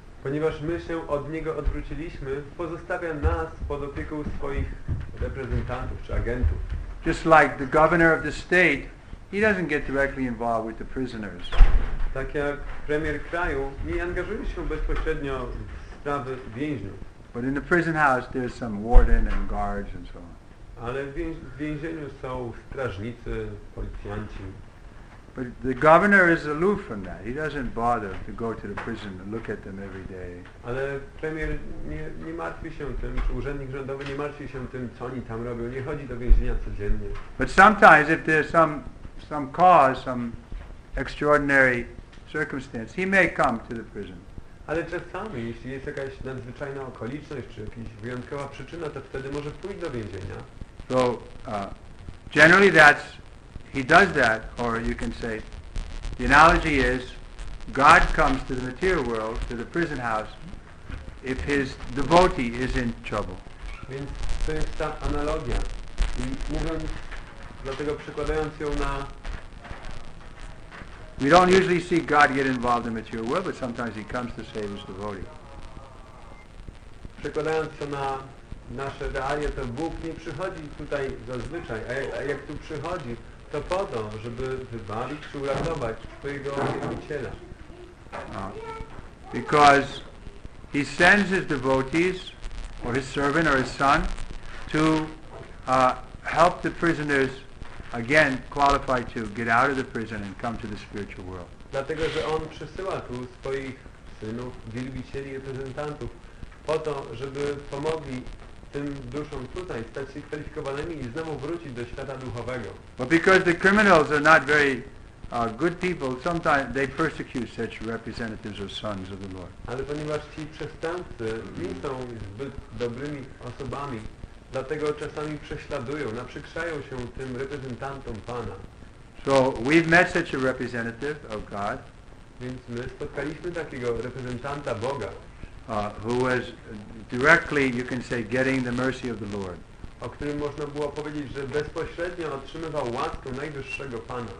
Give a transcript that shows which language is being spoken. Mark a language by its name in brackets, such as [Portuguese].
[Polish] Ponieważ my się od Niego odwróciliśmy, pozostawia nas pod opieką swoich reprezentantów czy agentów. [English] Just like the governor of the state, he doesn't get directly involved with the prisoners. [Polish] Tak jak premier kraju nie angażuje się bezpośrednio w sprawy więźniów. [English] But in the prison house there's some warden and guards and so on. [Polish] Ale w więzieniu są strażnicy, policjanci. [English] But the governor is aloof from that. He doesn't bother to go to the prison and look at them every day. [Polish] Ale premier nie martwi się tym, czy urzędnik rządowy nie martwi się tym, co oni tam robią. Nie chodzi do więzienia codziennie. [English] But sometimes if there's some cause, some extraordinary circumstance, he may come to the prison. [Polish] Ale czasami, jeśli jest jakaś nadzwyczajna okoliczność czy jakaś wyjątkowa przyczyna, to wtedy może pójść do więzienia. [English] So generally that's, he does that, or you can say, the analogy is, God comes to the material world, to the prison house, if his devotee is in trouble. [Polish] Więc to jest ta analogia. I mówiąc, dlatego przekładając ją na... [English] We don't usually see God get involved in the material world, but sometimes he comes to save his devotee. [Polish] Przekładając to na nasze realia, to Bóg nie przychodzi tutaj zazwyczaj, a jak tu przychodzi, to po to, żeby wybawić czy uratować swojego wielbiciela. [English] Because he sends his devotees, or his servant, or his son, to help the prisoners again, qualified to get out of the prison and come to the spiritual world. [Polish] Dlatego, że on przysyła tu swoich synów, wielbicieli, reprezentantów, po to, żeby pomogli tym duszom tutaj stać się kwalifikowanymi i znowu wrócić do świata duchowego. [English] But because the criminals are not very good people, sometimes they persecute such representatives or sons of the Lord. [Polish] Ale ponieważ ci przestępcy nie są zbyt dobrymi osobami, dlatego czasami prześladują, naprzykrzają się tym reprezentantom Pana. [English] So we've met such a representative of God. [Polish] Więc my spotkaliśmy takiego reprezentanta Boga, [English] Who was directly, you can say, getting the mercy of the Lord. [Polish] o którym można było powiedzieć, że bezpośrednio otrzymywał łaskę najwyższego Pana.